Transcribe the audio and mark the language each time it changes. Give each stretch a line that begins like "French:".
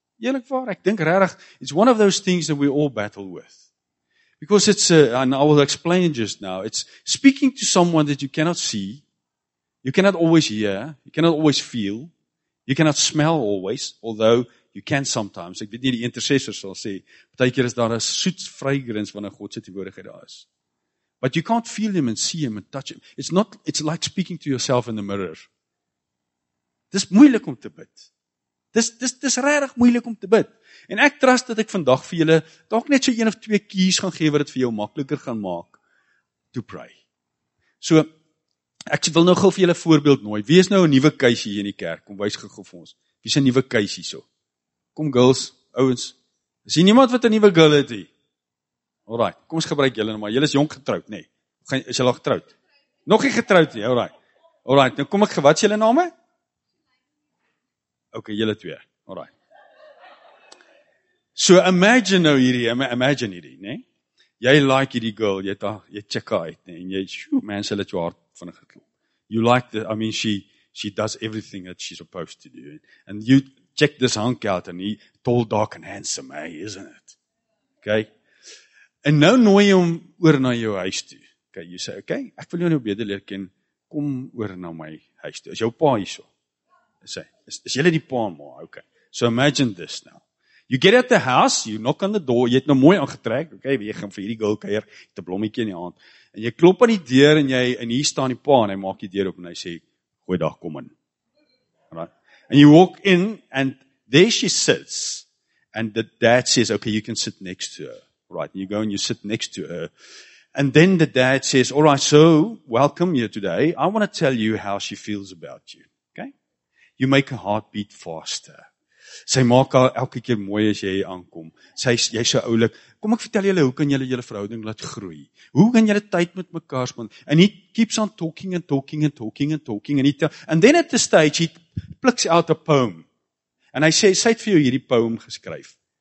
Afrikaans: Eerlikwaar, ek dink regtig,
English: it's one of those things that we all battle with. Because it's, and I will explain just now, it's speaking to someone that you cannot see, you cannot always hear, you cannot always feel, you cannot smell always, although you can sometimes.
Afrikaans: Ek weet nie, die intercessors sal sê, partykeer is daar 'n soet fragrance wanneer God se teenwoordigheid daar is.
English: But you can't feel him and see him and touch him. It's like speaking to yourself in the mirror.
Afrikaans: Dis moeilik om te bid. Dis regtig moeilik om te bid. En ek trust dat ek vandag vir julle dalk net so 1 of 2 keys gaan gee wat dit vir jou makliker gaan maak
English: to pray.
Afrikaans: So Ek wil nou gou vir julle voorbeeld nooi. Wie is nou 'n nuwe keisie hier in die kerk? Kom wys gou vir ons. Wie is 'n nuwe keisie so? Kom girls, ouens. Is hier niemand wat 'n nuwe girl het hier? Alraai, kom ons gebruik julle nou maar. Julle is jonk getroud, nê? Nee. Is julle al getroud? Nog nie getroud nie, alraai. Alraai, nou kom ek ge, wat is julle name? OK, julle twee, alraai. So imagine nou hierdie, imagine hierdie, nê? Nee? Jy like hierdie girl, jy ta, jy check haar uit, nê? Nee? En jy, shoo, man, sy let jou hart van geklop.
English: You like the, I mean, she does everything that she's supposed to do. And you check this hunk out, and he tall, dark and handsome, hey, isn't it? OK?
Afrikaans: En nou nooi jy hom oor na jou huis toe. OK, jy sê, OK, ek wil jou nou beter leer ken, kom oor na my huis toe. Is jou pa hier so? Sê, is jylle die pa ma? OK.
English: So imagine this now. You get at the house, you knock on the door,
Afrikaans: jy het nou mooi aangetrek, OK, jy gaan vir hierdie girl kuier, jy het 'n blommetjie in die hand, en jy klop aan die deur, en jy, en hier staan die pa, en hy maak die deur op, en hy sê, goeie dag, kom in.
English: And you walk in, and there she sits, and the dad says, OK, you can sit next to her. Right, and you go and you sit next to her. And then the dad says, all right, so welcome here today. I want to tell you how she feels about you. Okay? You make her heart beat faster.
Afrikaans: Sy maak haar elke keer mooi as jy aankom. Jy's so oulik. Kom ek vertel julle, hoe kan julle julle verhouding laat groei? Hoe kan julle tyd met mekaar spandeer?
English: And he keeps on talking and talking and talking and talking. And, then at the stage, he plucks out a poem.
Afrikaans: And hy sê, sy het vir jou hierdie poem geskryf.